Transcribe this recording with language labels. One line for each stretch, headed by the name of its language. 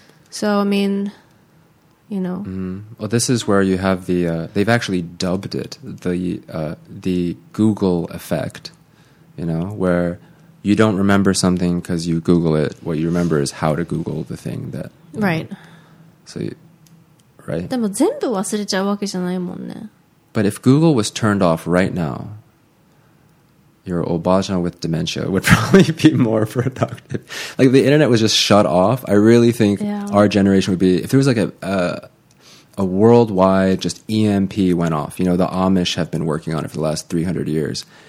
English: So, I mean, you know. Well, this is where you have the, they've actually dubbed it the Google effect, you know, where you don't remember something because you Google it. What you remember is how to Google the thing that. Right. Know. So, right.
Japanese: でも全部忘れちゃうわけじゃないもんね。
English: But if Google was turned off right now, your obaja with dementia would probably be more productive. Like if the internet was just shut off, I really think our generation would be, if there was like a worldwide just EMP went off, you know, the Amish have been working on it for the last 300 years.